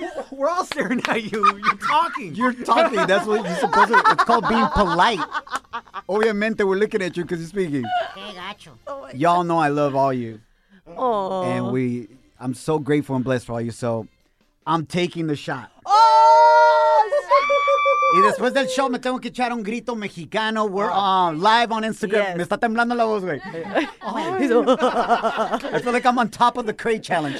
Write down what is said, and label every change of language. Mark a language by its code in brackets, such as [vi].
[en] We're all staring at you. You're talking. You're talking. That's what you're supposed to. It's called being polite. Obviamente, we're looking at you because you're speaking. Okay, got you. Y'all know I love all you. Oh. And we... I'm so grateful and blessed for all you, so I'm taking the shot. Oh! [es] Y después del show, me tengo que echar un grito mexicano. [en] We're live on Instagram. Yes. [es] Me está temblando la voz, güey. [en] I feel like I'm on top of the crate challenge.